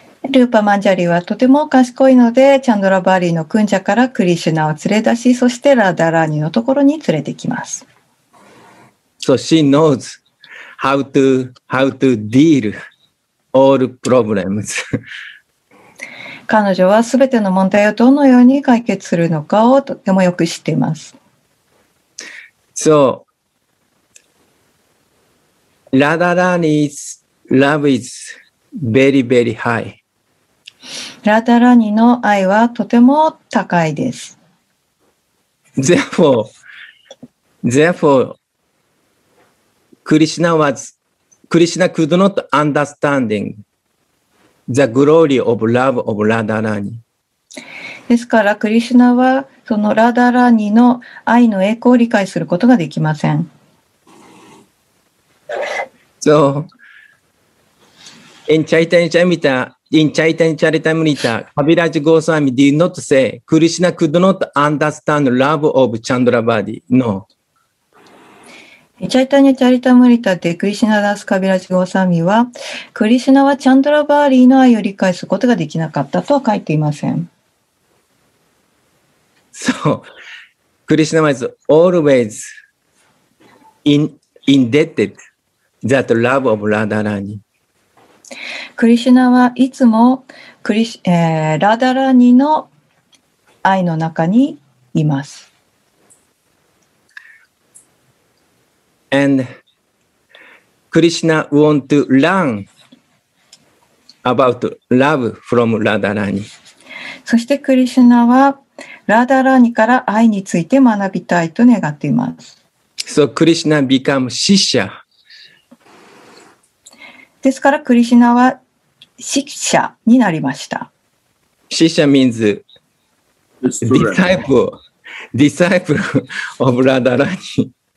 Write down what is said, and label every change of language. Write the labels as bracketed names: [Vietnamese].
[Japanese] ルーパマンジャリはとても賢いので、チャンドラバーリーのクンジャからクリシュナを連れ出し、そしてラダラーニのところに連れてきます。 [English] So she knows how to deal all problems. [Japanese] 彼女はすべての問題をどのように解決するのかをとてもよく知っています。 [English] So, ラダラーニ's love is very, very high. [Japanese] ラダラニの愛はとても高いです。 [English] Therefore, Krishna could not understanding the glory of love of Radharani. [Japanese] ですから、クリシュナはそのラダラニの愛の栄光を理解することができません。 [English] So, in Chaitanya Charitamrita,In Chaitanya Charitamrita, Kaviraj Goswami did not say Krishna could not understand love of Chandrabadi. No. [Japanese] Chaitanya Charitamrita で Krishna Das Kaviraj Goswami は、クリシュナはチャンドラバーリーの愛を理解することができなかったとは書いていません。 [English] So, Krishna was always indebted that love of Radharani. [Japanese] クリシュナはいつもラダラニの愛の中にいます。 [English] And Krishna want to learn about love from Radharani. [Japanese] そしてクリシュナはラダラニから愛について学びたいと願っています。 [English] So Krishna become shishya. [Japanese] ですからクリシナはシッシャになりました。 [English] シッシャ means disciple, disciple of Radharani.